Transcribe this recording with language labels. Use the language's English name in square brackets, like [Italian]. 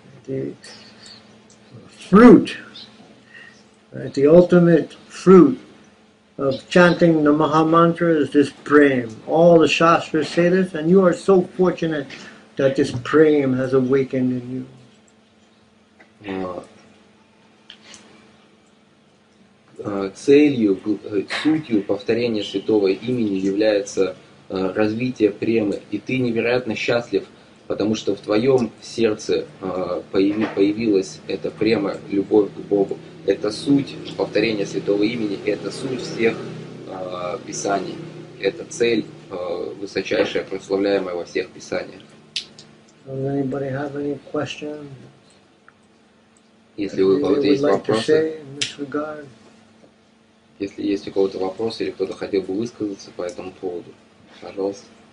[English] The fruit, right, the ultimate fruit of chanting the Maha Mantra is this prema. All the shastras say this, and you are so fortunate that this prema has awakened in you. [Russian] Целью, сутью повторения святого имени является развитие премы, и ты невероятно счастлив, потому что в твоем сердце появилась эта према, любовь к Богу. Это суть повторения святого имени, это суть всех писаний, это цель высочайшая, прославляемая во всех писаниях. [English] Does anybody have any questions? [Russian] Если вы кого-то есть вопросы, если есть у кого-то вопрос или кто-то хотел бы высказаться по этому поводу, пожалуйста.